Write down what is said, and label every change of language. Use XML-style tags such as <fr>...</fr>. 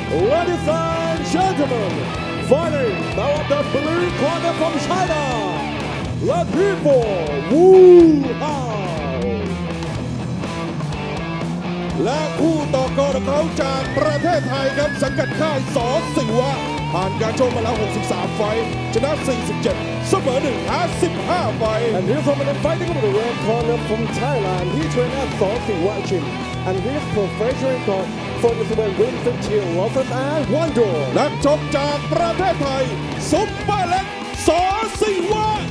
<en>Ladies and gentlemen, fighting now at the blue corner from China, the people, Wu Hao!</en> <th>และคู่ต่อกรเขาจากประเทศไทยครับสังกัดค่ายสอสิวะผ่านการชกมาแล้ว63ไฟชนะ47เสมอ1และ15ไฟ</th> <en>And here from the fighting over the red corner from Thailand he trained at Sorsiwa Gym and his professional record 47 wins 15 losses and 1 draw</en> <th>นักชกจากประเทศไทยซุปเปอร์เล็กสอสิวะ</th>